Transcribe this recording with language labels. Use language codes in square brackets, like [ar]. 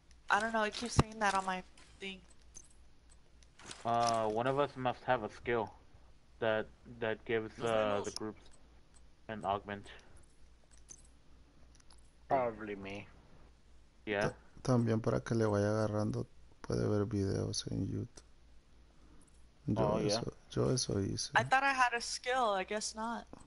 [en] I don't know, I keep saying that on my thing. One of us must have a skill that gives the group an augment. Probably me. Yeah. [es] También para que le vaya agarrando, puede ver videos en YouTube. Yo eso hice. [en] I thought I had a skill, I guess not.